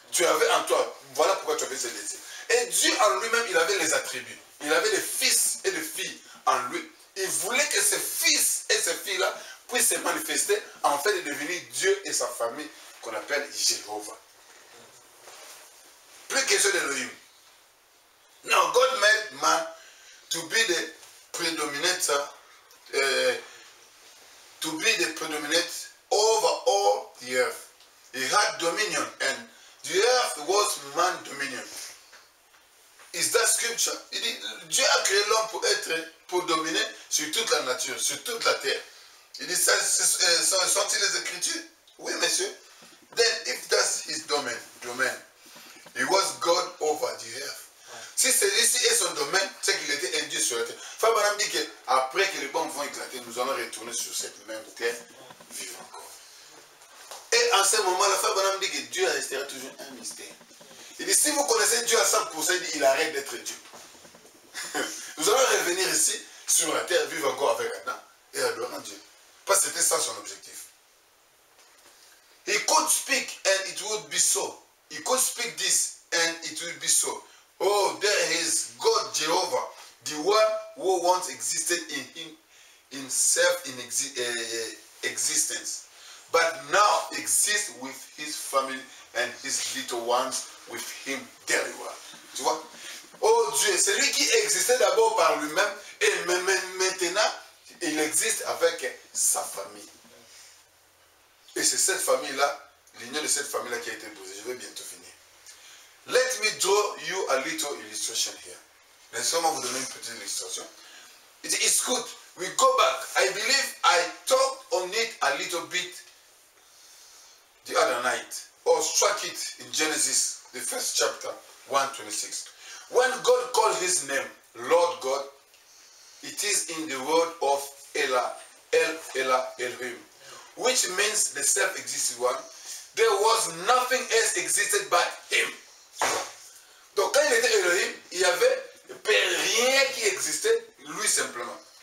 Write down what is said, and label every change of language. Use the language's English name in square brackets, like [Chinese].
[French] Tu avais en toi, voilà pourquoi tu avais ce désir. Et Dieu en lui-même, il avait les attributs. Il avait les fils et les filles en lui. Il voulait que ses fils et ses filles-là puissent se manifester en fait de devenir Dieu et sa famille qu'on appelle Jéhovah. Plus question d'Elohim. [English] Non, God made man to be the predominant, over all the earth. He had dominion and the earth was man dominion. Is that scripture? [French] Il dit, Dieu a créé l'homme pour être, pour dominer sur toute la nature, sur toute la terre. Il dit, sont-ils les écritures? Oui, monsieur. [English] Then, if that's his domain. He was God over the earth. [French] Si celui-ci est son domaine, c'est qu'il était un Dieu sur la terre. Frère Branham dit qu'après que les bombes vont éclater, nous allons retourner sur cette même terre, vivre encore. Et en ce moment-là, Frère Branham dit que Dieu restera toujours un mystère. Il dit, si vous connaissez Dieu à 100%, il dit, il arrête d'être Dieu. Nous allons revenir ici, sur la terre, vivre encore avec Adam et adorant Dieu. Parce que c'était ça son objectif. [English] He could speak and it would be so. He could speak this and it will be so. Oh, there is God Jehovah, the one who once existed in him, himself in existence, but now exists with his family and his little ones with him very well. [French] Tu vois? Oh Dieu, c'est lui qui existait d'abord par lui-même et maintenant il existe avec sa famille. Et c'est cette famille-là, l'union de cette famille-là qui a été posée. Je vais bientôt finir. [English] Let me draw you a little illustration here. [French] Laissez-moi vous donner une petite illustration. [English] It's good. We go back. I believe I talked on it a little bit the other night. Or struck it in Genesis, the first chapter, 1:26. When God called his name, Lord God, It is in the word of Elah, El Elah Elohim, which means the self-existing one. There was nothing else existed but him. [French] Donc quand il était Elohim, il n'y avait rien qui existait, lui simplement.